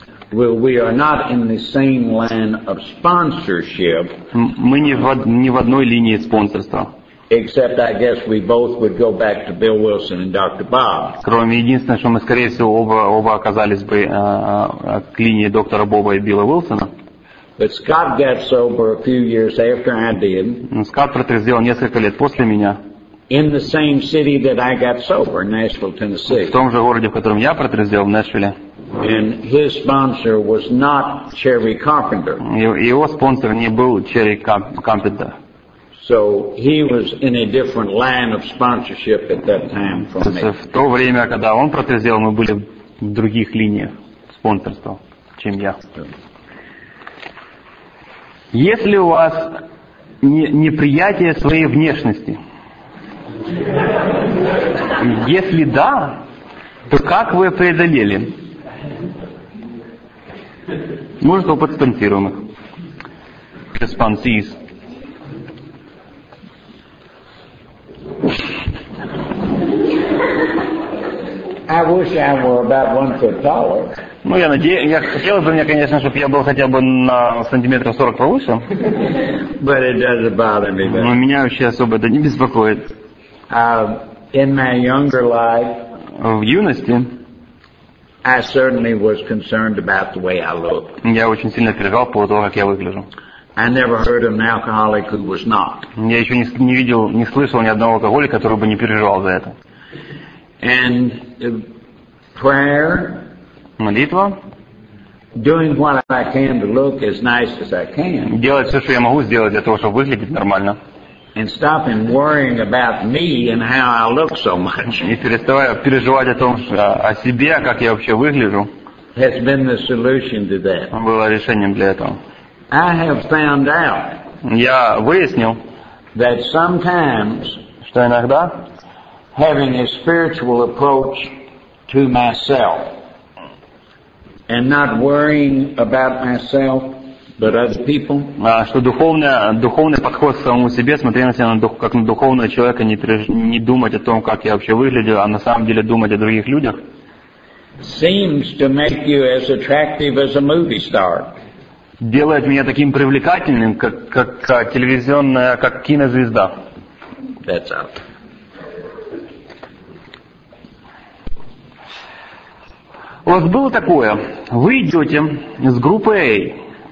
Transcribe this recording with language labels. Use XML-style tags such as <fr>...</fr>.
<en>Well, we are not in the same line of sponsorship.</en> <ru>Мы не в одной линии спонсорства.</ru> <en>Except, I guess, we both would go back to Bill Wilson and Dr. Bob.</en> <ru>Кроме единственного, что мы, скорее всего, оба оказались бы к линии доктора Боба и Билла Уилсона.</ru> <en>But Scott got sober a few years after I did.</en> <ru>Скотт протрезвел несколько лет после меня.</ru> <en>In the same city that I got sober, Nashville, Tennessee.</en> <ru>В том же городе, в котором я протрезвел, в Нэшвилле.</ru> <en>And his sponsor was not Cherry Carpenter.</en> <ru>Его спонсор не был Cherry Carpenter.</ru> <en>So he was in a different line of sponsorship at that time from me.</en> <ru>В то время, когда он протрезвел, мы были в других линиях спонсорства, чем я. Если у вас неприятие своей внешности, если да, то как вы преодолели? Может, опыт спонсируемых? Спонсиз.</ru> <en>I wish I were about 1 foot taller.</en> <ru>Ну, хотелось бы мне, конечно, чтобы я был хотя бы на сантиметров 40 повыше.</ru> <en>But it doesn't bother me.</en> <ru>Но меня вообще особо это не беспокоит.</ru> <en>In my younger life,</en> <ru>в юности,</ru> <en>I certainly was concerned about the way I look.</en> <ru>Я очень сильно переживал по поводу того, как я выгляжу.</ru> <en>I never heard of an alcoholic who was not.</en> <ru>Я еще не видел, не слышал ни одного алкоголика, который бы не переживал за это.</ru> <en>And prayer,</en> <ru>молитва,</ru> <en>doing what I can to look as nice as I can.</en> <ru>Делать все, что я могу сделать для того, чтобы выглядеть нормально.</ru> <en>And stopping worrying about me and how I look so much.</en> <ru>И переставая переживать о том, о себе, как я вообще выгляжу.</ru> <en>Has been the solution to that.</en> <ru>Было решением для этого.</ru> <en>I have found out.</en> <ru>Я выяснил.</ru> <en>That sometimes.</en> <ru>Что иногда.</ru> <en>Having a spiritual approach to myself. And not worrying about myself. But other people.</en> <ru>Что духовный подход к самому себе, смотря на себя как на духовного человека, не думать о том, как я вообще выгляжу, а на самом деле думать о других людях.</ru> <en>Seems to make you as attractive as a movie star.</en> <ru>Делает меня таким привлекательным, как телевизионная, как кинозвезда.</ru> <en>That's out.</en> <ru>У вас было такое. Вы идете с группой A.</ru>